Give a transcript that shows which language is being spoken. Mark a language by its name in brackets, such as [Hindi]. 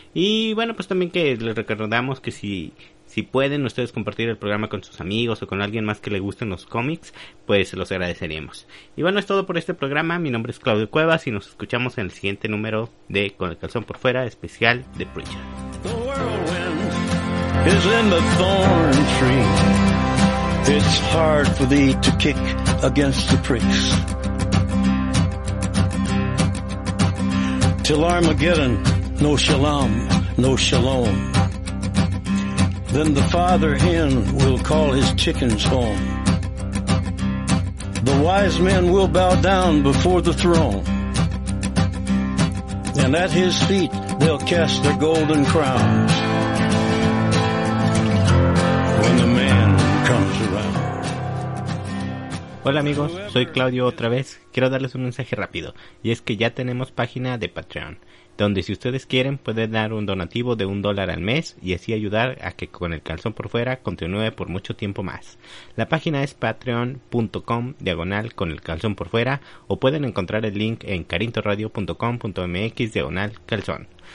[Spanish] Y bueno, pues también que les recordamos que si pueden ustedes compartir el programa con sus amigos o con alguien más que le gusten los cómics, pues los agradeceríamos. Y bueno, es todo por este programa. Mi nombre es Claudio Cuevas y nos escuchamos en el siguiente número de Con el Calzón por Fuera, especial de Preacher. [English] The whirlwind is in the thorn tree. It's hard for thee to kick against the pricks. Till Armageddon, no shalom, no shalom. Then the father hen will call his chickens home. The wise men will bow down before the throne. And at his feet they'll cast their golden crowns. When the man comes around. [Spanish] Hola amigos, soy Claudio otra vez. Quiero darles un mensaje rápido. Y es que ya tenemos página de Patreon, donde si ustedes quieren pueden dar un donativo de $1 al mes y así ayudar a que Con el Calzón por Fuera continúe por mucho tiempo más. La página es patreon.com/conelcalzonporfuera o pueden encontrar el link en carintoradio.com.mx/calzón.